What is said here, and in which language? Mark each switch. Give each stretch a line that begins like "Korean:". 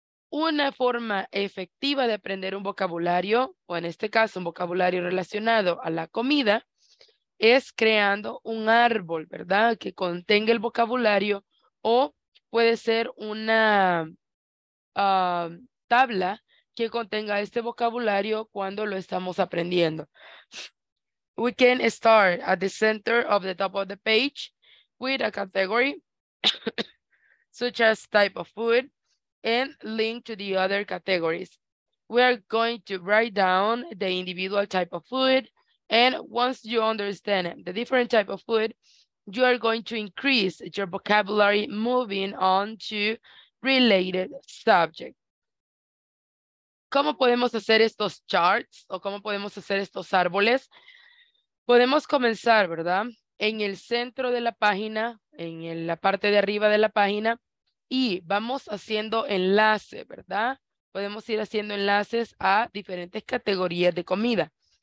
Spanish: Una forma efectiva de aprender un vocabulario, o en este caso un vocabulario relacionado a la comida, es creando un árbol, ¿verdad?, que contenga el vocabulario, o puede ser una tabla que contenga este vocabulario cuando lo estamos aprendiendo.
English: We can start at the center of the top of the page with a category such as type of food and link to the other categories. We are going to write down the individual type of food, and once you understand the different type of food, you are going to increase your vocabulary moving on to related subjects.
Spanish: ¿Cómo podemos hacer estos charts o cómo podemos hacer estos árboles? Podemos comenzar, ¿verdad?, en el centro de la página, en la parte de arriba de la página, y vamos haciendo enlaces, ¿verdad? Podemos ir haciendo enlaces a diferentes categorías de comida.